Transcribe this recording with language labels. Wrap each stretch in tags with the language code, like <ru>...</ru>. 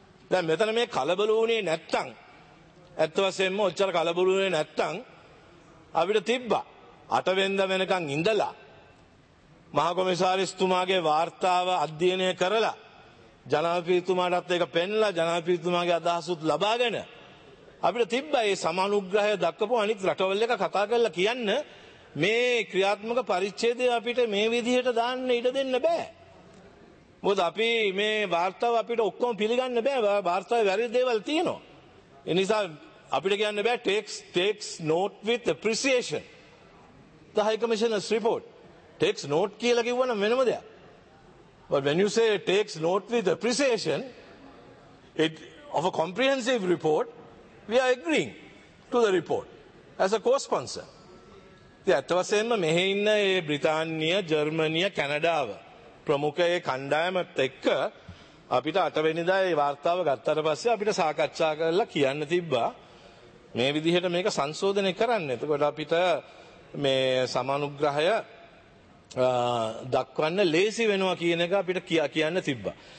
<si>දැන් මෙතන මේ කලබල වුණේ නැත්තම්, ඇත්ත වශයෙන්ම ඔච්චර කලබල වුණේ නැත්තම් අපිට තිබ්බා 8 වෙනිදා වෙනකන් ඉඳලා මහ කොමසාරිස්තුමාගේ වාර්තාව අධ්‍යයනය කරලා ජනාධිපතිතුමාටත් ඒක පෙන්ලා ජනාධිපතිතුමාගේ අදහසුත් ලබාගෙන අපිට තිබ්බා ඒ සමානුග්‍රහය දක්වපු අනිත් රටවල් එක කතා කරලා කියන්න මේ ක්‍රියාත්මක පරිච්ඡේදය අපිට මේ විදිහට දාන්න ඉඩ දෙන්න බෑ. මොකද අපි මේ වාර්තාව අපිට ඔක්කොම පිළිගන්න බෑ. වාර්තාවේ වැරදි දේවල් තියෙනවා. ඒ නිසා අපිට කියන්න බෑ</si> <en>takes note with appreciation the high commissioner's report. takes note</en> <si>කියලා කිව්වනම් වෙනම දෙයක්.</si> <en>But when you say takes note with appreciation it of a comprehensive report, we are agreeing to the report as a co-sponsor.</en> <si>ඇත්ත වශයෙන්ම මෙහි ඉන්න ඒ බ්‍රිතාන්‍ය, ජර්මනිය, කැනඩාව ප්‍රමුඛ ඒ කණ්ඩායමත් එක්ක අපිට 8 වෙනිදා ඒ වාර්තාව ගත්තට පස්සේ අපිට සාකච්ඡා කරලා කියන්න තිබ්බා මේ විදිහට මේක සංශෝධනය කරන්න. එතකොට අපිට මේ සමානුග්‍රහය දක්වන්න ලේසි වෙනවා කියන එක අපිට කියන්න තිබ්බා.</si>